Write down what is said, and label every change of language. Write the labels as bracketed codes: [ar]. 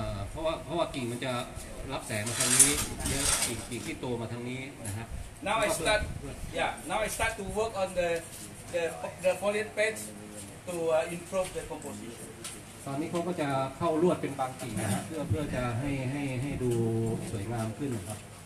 [th] เพราะว่ากิ่งมันจะรับแสงมาทางนี้เยอะกิ่งที่โตมาทางนี้นะครับ [en] now I start yeah now I start to work on the foliage patch to improve the composition [th] ตอนนี้เขาก็จะเข้าลวดเป็นบางกิ่งนะเพื่อจะให้ดูสวยงามขึ้นครับ